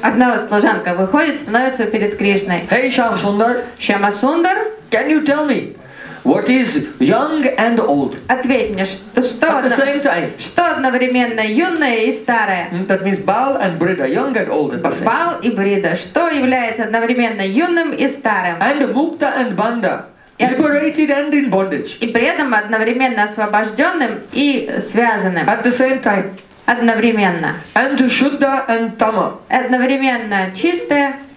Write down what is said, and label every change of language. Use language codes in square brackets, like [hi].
[ru] Одна служанка выходит, становится перед Кришной. [en] Hey, Shyamasundar. Shyamasundar. Can you tell me what is young and old? [ru] Ответь мне, что [en] at the same time. [ru] Что одновременно юное и старое? [en] That means Bal and Brida, young and old. [hi] Bal и Brida. [ru] Что является одновременно юным и старым? [en] And Mukta and Banda. Liberated and in bondage. [ru] И при этом одновременно освобожденным и связанным. [en] At the same time. [ru] Одновременно. [en] And Shuddha and Tama. [ru] Одновременно чистое.